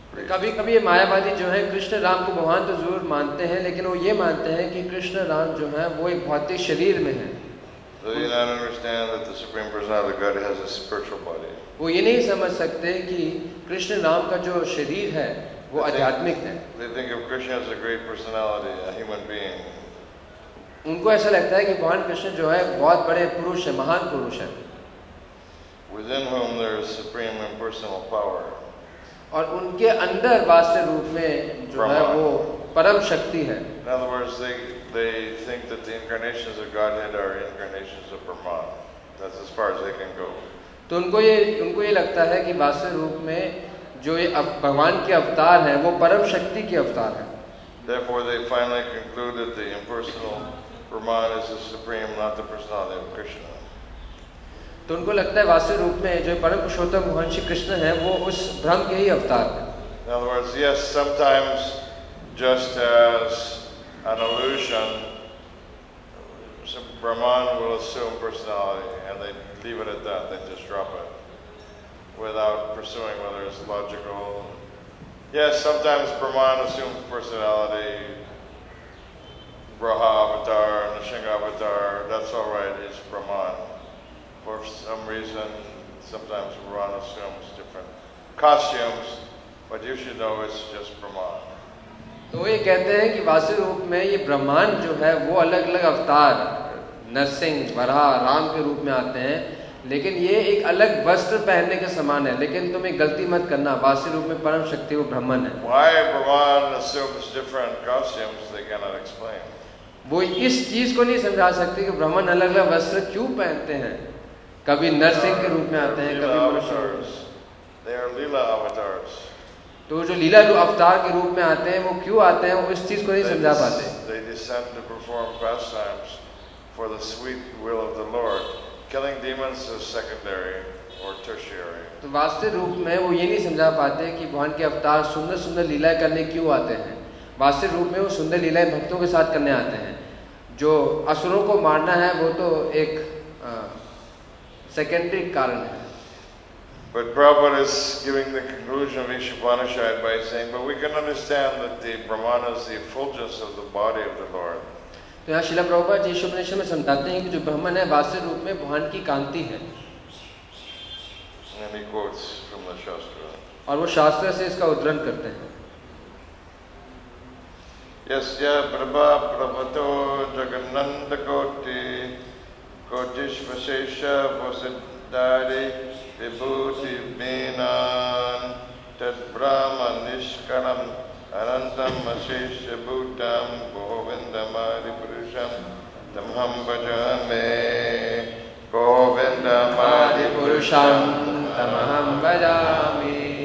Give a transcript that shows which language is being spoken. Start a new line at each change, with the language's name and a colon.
Hindi: कभी-कभी ये मायावादी जो है कृष्ण राम को भगवान तो जरूर मानते हैं लेकिन वो ये मानते हैं कि कृष्ण राम जो है वो एक भौतिक शरीर में है
English: So you don't understand that the Supreme Personality of God has a spiritual body.
Hindi: वो ये नहीं समझ सकते कि कृष्ण नाम का जो शरीर है वो आध्यात्मिक है.
English: They think of Krishna as a great personality, a human being.
Hindi: उनको ऐसा लगता है कि भगवान कृष्ण जो है बहुत बड़े पुरुष है महान पुरुष है.
English: Within whom there is supreme impersonal power.
Hindi: और उनके अंदर वास्तव रूप में जो है वो परम शक्ति है.
English: In other words, they think that the incarnations of Godhead are incarnations of Brahma. That's as far as they can go.
Hindi: तो उनको ये लगता है कि वास्तव रूप में जो ये भगवान के अवतार हैं, वो परम शक्ति के अवतार हैं.
English: Therefore, they finally conclude that the impersonal Brahma is the supreme, not the personality of Krishna.
Hindi: तो उनको लगता है वास्तव रूप में जो परम पुरुषोत्तम भगवान श्री कृष्ण हैं, वो उस ब्रह्म के ही अवतार हैं.
English: In other words, yes, sometimes just as an illusion, some Brahman will assume personality and they leave it at that, they just drop it without pursuing whether it's logical. Yes, sometimes Brahman assumes personality, Braha avatar, Nishinga avatar, that's all right, it's Brahman. For some reason, sometimes Brahman assumes different costumes, but you should know it's just Brahman.
Hindi: तो ये कहते हैं कि वास्तविक रूप में ये ब्रह्मांड जो है वो अलग अलग अवतार नरसिंह वराह राम के रूप में आते हैं लेकिन ये एक अलग वस्त्र पहनने के समान है लेकिन तुम्हें गलती मत करना वास्तविक रूप में परम शक्ति वो ब्रह्मन है
English: Why Brahman assumes different costumes, they cannot explain.
Hindi: वो इस चीज को नहीं समझा सकते कि ब्रह्मन अलग अलग वस्त्र क्यों पहनते हैं कभी नरसिंह के रूप में आते हैं कभी
English: They are Leela avatars.
Hindi: तो जो लीला जो अवतार के रूप में आते हैं वो क्यों आते हैं वो इस चीज को नहीं समझा पाते।
English: They descend to perform pastimes for the sweet will of the Lord. Killing demons is secondary or tertiary.
Hindi: तो वास्तविक रूप में वो ये नहीं समझा पाते कि भगवान के अवतार सुंदर सुंदर लीलाएं करने क्यों आते हैं। वास्तविक रूप में वो सुंदर लीलाएं भक्तों के साथ करने आते हैं। जो असुरों को मारना है वो तो एक सेकेंडरी कारण है।
English: But Prabhupada is giving the conclusion of each Upanishad by saying, but we can understand that the Brahmana is the effulgence of the body of the Lord.
Hindi: तो यहाँ श्रील प्रभुपाद जी उपनिषद में समझाते हैं कि जो ब्राह्मण है वास्तविक रूप में भगवान की कांति है।
English: And he quotes from the Shastra.
Hindi: और वो शास्त्र से इसका उद्धरण करते हैं।
Sanskrit: यस्य प्रभा प्रभतो जगन्नंद कोटि कोटि विशेष वसिद्धारि विभूति मेनान तद् ब्रह्म निष्करम अनंतम अशेष भूतम गोविंदम आदि पुरुषम तमहं भजामि गोविंदम आदि पुरुषम तमहं भजामि।